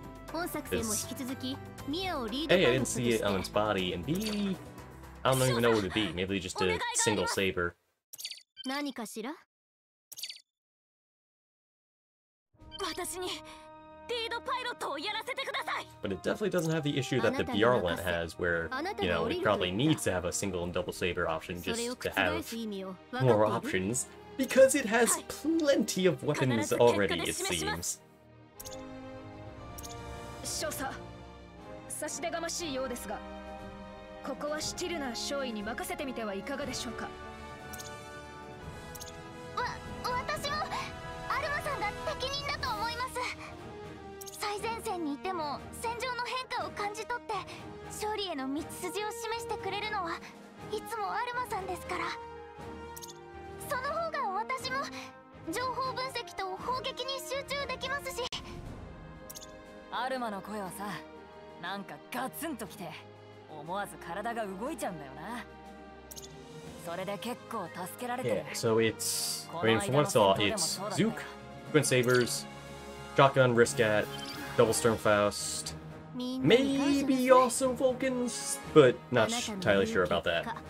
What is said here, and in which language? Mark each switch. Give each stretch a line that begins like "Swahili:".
Japanese: 本作戦も引き続き、ミアをリードカーに移して。
English: A, I didn't see it on its body, and B, I don't even know what it'd be. Maybe just a single saber.
Japanese: 何かしら？私にリードパイロットをやらせてください。
English: But it definitely doesn't have the issue that the Bjarlant has, where, you know, it probably needs to have a single and double saber option just to have more options, because it has plenty of weapons already, it seems.
Japanese: 少佐、差し出がましいようですが、ここはシティルナー少尉に任せてみてはいかがでしょうか。私もアルマさんが適任だと思います。最前線にいても戦場の変化を感じ取って勝利への道筋を示してくれるのはいつもアルマさんですから、その方が私も情報分析と砲撃に集中できますし。アルマの声はさ、なんかガツンときて思わず体が動いちゃうんだよな。それで結構助けられてる。
English: Yeah, so it's, I mean, from what I saw, it's Zook, Twin Sabers, Shotgun, Riskat, Double Sturmfaust, maybe also Vulcans, but not entirely sure about that.